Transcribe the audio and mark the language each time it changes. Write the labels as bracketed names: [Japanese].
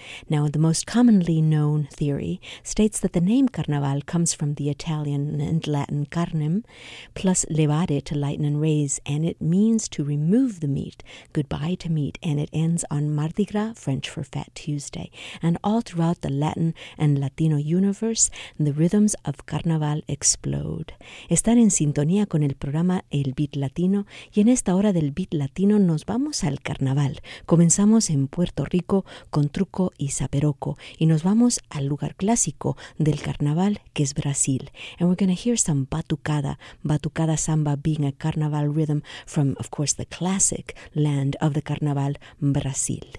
[English] Now, the most commonly known theory states that the name Carnaval comes from the Italian and Latin carnem, plus levare, to lighten and raise, and it means to remove the meat, goodbye to meat, and it ends on Mardi Gras, French for Fat Tuesday. And all throughout the Latin and Latino universe, the rhythms of Carnaval explode. [Spanish] Están en sintonía con el programa El Beat Latino, y en esta hora del Beat Latino nos vamos al Carnaval. Comenzamos en Puerto Rico con Truco y Zaperoco, y nos vamos al lugar clásico del Carnaval, que es Brasil. [English] And we're going to hear some batucada, batucada samba being a Carnaval rhythm from, of course, the classic land of the Carnaval, Brasil.